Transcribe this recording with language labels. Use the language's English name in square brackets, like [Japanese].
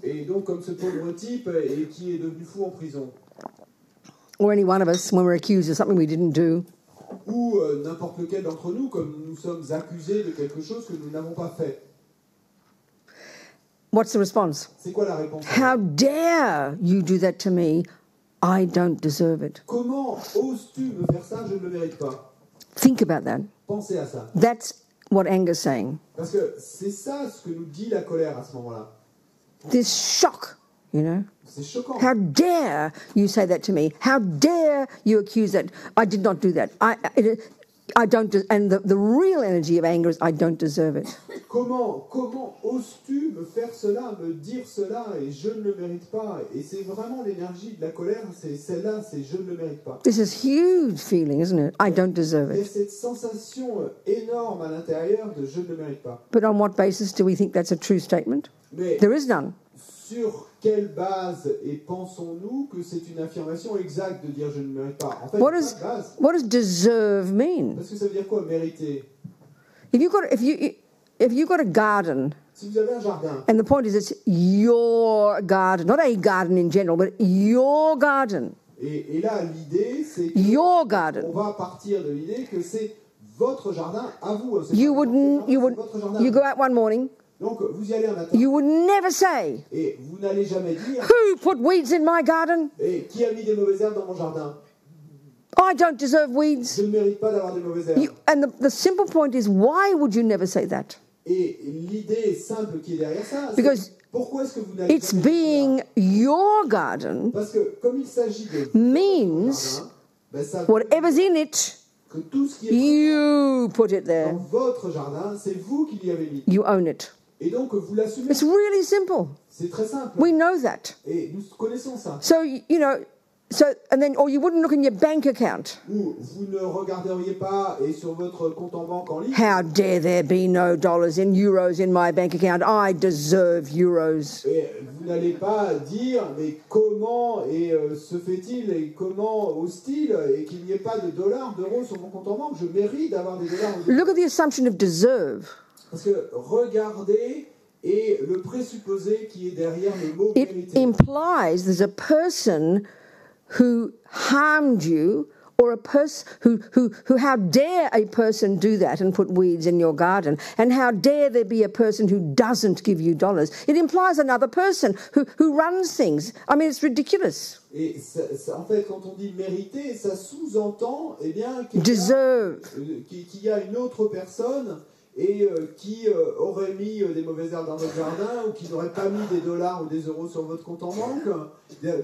[French] Et donc, comme ce pauvre type et qui est devenu fou en prison. [English] Or any one of us when we're accused of something we didn't do. [French] Ou n'importe lequel d'entre nous, comme nous sommes accusés de quelque chose que nous n'avons pas fait. [English] What's the response? [French] C'est quoi la réponse? [English] How dare you do that to me? I don't deserve it. [French] Comment oses-tu me faire ça? Je ne le mérite pas. [English] Think about that. [French] Pensez à ça. [English] That's what anger is saying. [French] Parce que c'est ça ce que nous dit la colère à ce moment-là. [English] This shock, you know? [French] C'est choquant. [English] How dare you say that to me? How dare you accuse that? I did not do that. The real energy of anger is I don't deserve it. [French] Comment oses-tu me faire cela, me dire cela, et je ne le mérite pas? Et c'est vraiment l'énergie de la colère, c'est celle-là, c'est je ne le mérite pas. [English] This is huge feeling, isn't it? I don't deserve it. [French] Et cette sensation énorme à l'intérieur de je ne le mérite pas. [English] But on what basis do we think that's a true statement? [French] Mais [English] there is none. [French] sur quelle base et pensons-nous que c'est une affirmation exacte de dire je ne mérite pas? En fait, [English] what does deserve mean? [French] Parce que ça veut dire quoi, mériter? [English] If you got a garden. [French] Si vous avez un jardin. [English] And the point is, it's your garden, not a garden in general, but your garden. [French] Et là, l'idée, c'est [English] que your garden. [French] On va partir de l'idée que c'est votre jardin à vous. C'est [English] you wouldn't. Jardin, you wouldn't. You go out one morning. [French] Donc, vous y allez un matin. [English] You would never say. [French] Et vous n'allez jamais dire. [English] Who put weeds in my garden? [French] Et qui a mis des mauvaises herbes dans mon jardin? [English] I don't deserve weeds. [French] Je ne mérite pas d'avoir des mauvaises herbes. [English] And the simple point is, why would you never say that? [French] Et l'idée simple qui est derrière ça, [English] because [French] c'est pourquoi est-ce que vous [English] n'avez it's being là? Your garden [French] parce que comme il s'agit de [English] means [French] jardin, ben ça [English] whatever's in it, [French] que tout ce qui est [English] you put it there. [French] Dans votre jardin, c'est vous qui l'y avez mis. [English] You own it. [French] Et donc, vous l'assumez. [English] It's really simple. [French] C'est très simple. [English] We know that. [French] Et nous connaissons ça. [English] So, you know, so, and then, or you wouldn't look in your bank account. [French] Ou vous ne regarderiez pas et sur votre compte en banque en ligne. [English] How dare there be no dollars and euros in my bank account? I deserve euros. [French] Et vous n'allez pas dire, mais comment et se fait-il et comment hostile et qu'il n'y ait pas de dollars, d'euros sur mon compte en banque? Je mérite d'avoir des dollars. [English] Look at the assumption of deserve. [French] Parce que regardez. Et le présupposé qui est derrière le mot mérite. [English] It implies there's a person who harmed you, or a person who how dare a person do that and put weeds in your garden, and how dare there be a person who doesn't give you dollars? It implies another person who runs things. I mean, it's ridiculous. [French] Et ça, en fait, quand on dit mériter, ça sous-entend, eh bien, qu'il y a une autre personne et qui aurait mis des mauvaises herbes dans votre jardin ou qui n'aurait pas mis des dollars ou des euros sur votre compte en banque.